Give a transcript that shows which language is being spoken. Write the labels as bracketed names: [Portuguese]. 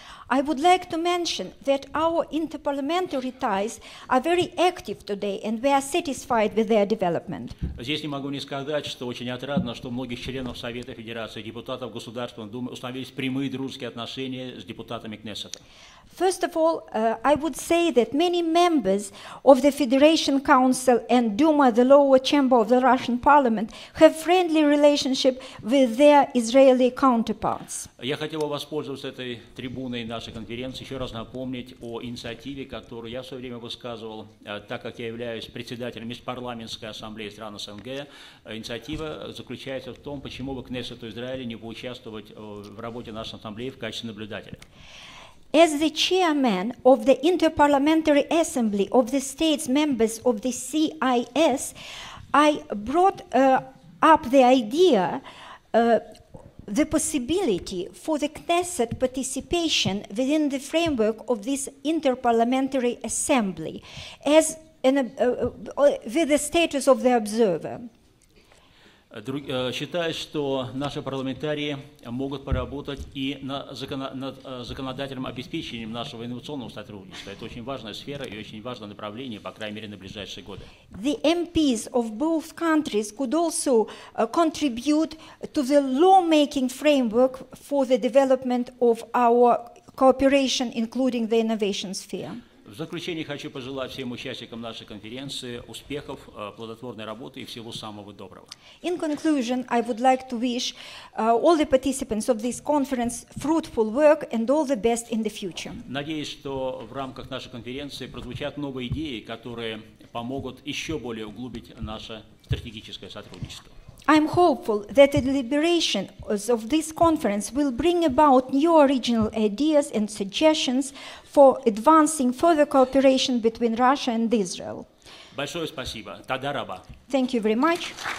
[English] I would like to mention that our interparliamentary ties are very active today, and we are satisfied with their development. [Russian] Здесь не могу не сказать, что очень отрадно, что многих членов Совета Федерации, депутатов Государственной Думы установились прямые дружеские отношения с депутатами Кнессета. [English] First of all, I would say that many members of the Federation Council and Duma, the lower chamber of the Russian Parliament, have friendly relationship with their Israeli counterparts. [Russian] Я хотел бы воспользоваться этой трибуной нашей конференции, еще раз напомнить о инициативе, которую я в свое время высказывал, так как я являюсь председателем Межпарламентской ассамблеи стран СНГ. Инициатива заключается в том, почему бы Кнессету Израиля не поучаствовать в работе нашей ассамблеи в качестве наблюдателя. [English] As the chairman of the Interparliamentary Assembly of the States members of the CIS, I brought up the idea, the possibility for the Knesset participation within the framework of this Interparliamentary Assembly as in with the status of the observer. [Russian] Считаю, что наши парламентарии могут поработать и над законодательным обеспечением нашего инновационного сотрудничества. Это очень важная сфера и очень важное направление, по крайней мере, на ближайшие годы. [English] The MPs of both countries could also contribute to the lawmaking framework for the development of our cooperation, including the innovation sphere. [Russian] В заключение хочу пожелать всем участникам нашей конференции успехов, плодотворной работы и всего самого доброго. [English] In conclusion, I would like to wish all the participants of this conference fruitful work and all the best in the future. [Russian] Надеюсь, что в рамках нашей конференции прозвучат новые идеи, которые помогут еще более углубить наше стратегическое сотрудничество. [English] I'm hopeful that the deliberations of this conference will bring about new original ideas and suggestions for advancing further cooperation between Russia and Israel. [Russian] Большое спасибо. [Hebrew] Тада раба. [English] Thank you very much.